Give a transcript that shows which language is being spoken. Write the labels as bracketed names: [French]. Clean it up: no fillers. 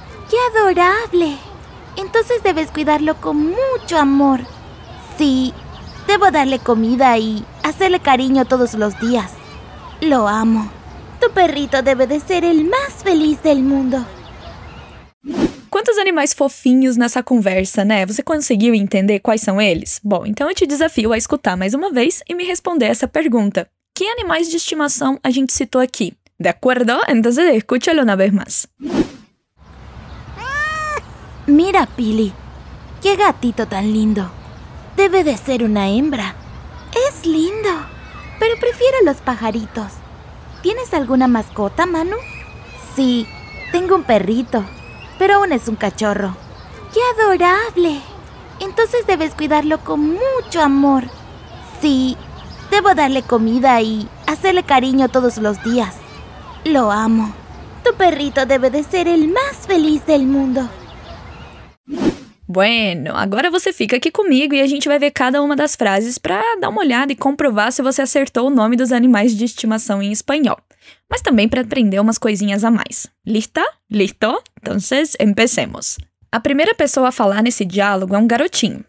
[Spanish] ¡Qué adorable! Entonces debes cuidarlo con mucho amor. Sí, debo darle comida y hacerle cariño todos los días. Lo amo. Tu perrito debe de ser el más feliz del mundo. [Portuguese] Quantos animais fofinhos nessa conversa, né? Você conseguiu entender quais são eles? Bom, então eu te desafio a escutar mais uma vez e me responder essa pergunta. Que animais de estimação a gente citou aqui? [Spanish] De acuerdo? Então, escúchalo una vez más. Mira, Pili. Que gatito tan lindo. Debe de ser una hembra. Es lindo. Pero prefiero los pajaritos. ¿Tienes alguna mascota, Manu? Sí, tengo un perrito. Pero aún es un cachorro. ¡Qué adorable! Entonces debes cuidarlo con mucho amor. Sí, debo darle comida y hacerle cariño todos los días. Lo amo. Tu perrito debe de ser el más feliz del mundo. [Portuguese] Bueno, agora você fica aqui comigo e a gente vai ver cada uma das frases para dar uma olhada e comprovar se você acertou o nome dos animais de estimação em espanhol. Mas também para aprender umas coisinhas a mais. Lista? Listo? [Spanish] Entonces, empecemos. [Portuguese] A primeira pessoa a falar nesse diálogo é um garotinho.